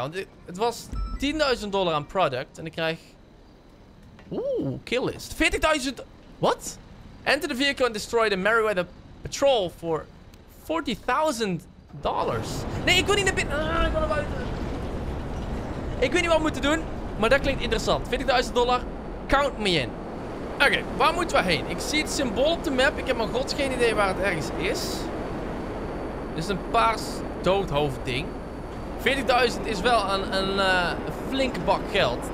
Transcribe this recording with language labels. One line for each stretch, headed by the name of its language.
Dutch: Want het was $10.000 aan product. En ik krijg... Oeh, kill list. $40.000... Wat?
English: Enter the vehicle and destroy the Meriwether Patrol for $40,000.
Dutch: Nee, ik wil niet naar binnen. Ah, ik wil naar buiten. Ik weet niet wat we moeten doen, maar dat klinkt interessant. $40,000,
English: count me in.
Dutch: Oké, okay, waar moeten we heen? Ik zie het symbool op de map. Ik heb maar gods geen idee waar het ergens is. Dit is een paars doodhoofd ding. $40,000 is wel een flinke bak geld.